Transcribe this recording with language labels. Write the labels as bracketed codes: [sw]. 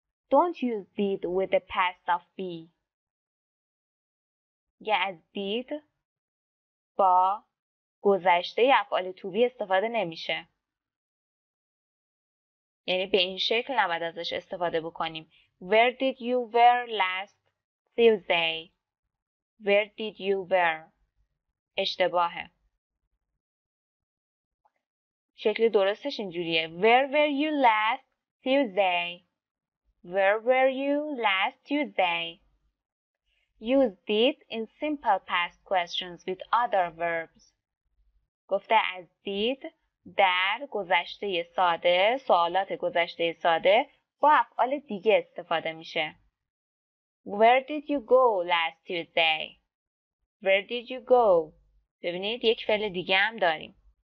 [en] Don't use did with the past of be. [fa] یه از دید با گذشته ی افعال to be استفاده نمیشه. یعنی به این شکل نباید ازش استفاده بکنیم. [en] Where did you were last Tuesday? Where did you were? [fa] اشتباهه. شکل درستش اینجوریه. [en] Where were you last Tuesday? Where were you last Tuesday? Use did in simple past questions with other verbs. [fa] گفته از did در گذشته ساده، سوالات گذشته ساده با افعال دیگه استفاده میشه. [en] Where did you go last Tuesday? Where did you go? [fa] ببینید یک فعل دیگه هم داریم.